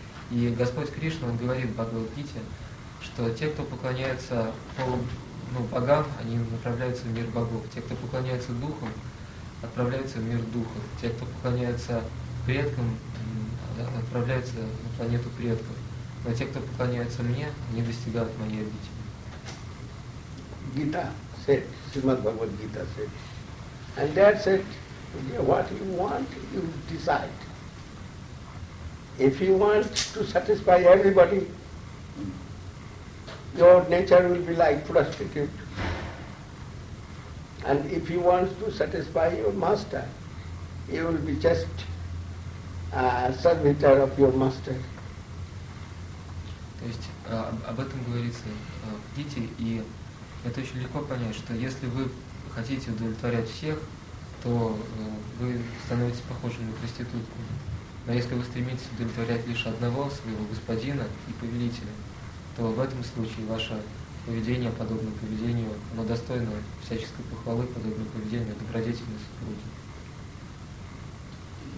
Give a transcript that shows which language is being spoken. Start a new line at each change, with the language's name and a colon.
Russian: И Господь Кришна, Он говорит в Бхагавад-гите, что те, кто поклоняется богам, они направляются в мир богов. Те, кто поклоняется духам, отправляются в мир духов. Те, кто поклоняется предкам, отправляются на планету предков. Но те, кто поклоняется мне, они достигают моей обители.
English: Гита said, Srimad Bhagavad Gita said. And Dad said, what you want, you decide. If you want to satisfy everybody, your nature will be like prostitute. And if you want to satisfy your master, you will be just a servitor of your master.
Russian: То есть об этом говорится в Гите, и это очень легко понять, что если вы хотите удовлетворять всех, то вы становитесь похожими на проститутку. Но если вы стремитесь удовлетворять лишь одного своего господина и повелителя, то в этом случае ваше поведение, подобное поведению, оно достойно всяческой похвалы, подобное поведению, добродетельной супруги.